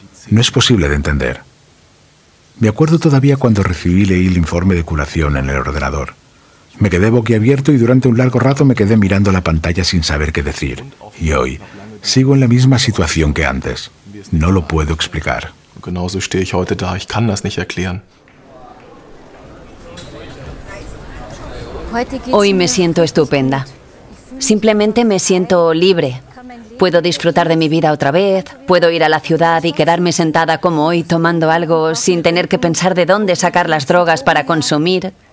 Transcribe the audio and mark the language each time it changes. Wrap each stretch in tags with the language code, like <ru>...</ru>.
<es>No es posible de entender. Me acuerdo todavía cuando recibí y leí el informe de curación en el ordenador. Me quedé boquiabierto y durante un largo rato me quedé mirando la pantalla sin saber qué decir. Y hoy sigo en la misma situación que antes. No lo puedo explicar.</es> <de>Genauso stehe ich heute da. Ich kann das nicht erklären.</de> <es>Hoy me siento estupenda. Simplemente me siento libre. Puedo disfrutar de mi vida otra vez. Puedo ir a la ciudad y quedarme sentada como hoy tomando algo sin tener que pensar de dónde sacar las drogas para consumir.</es>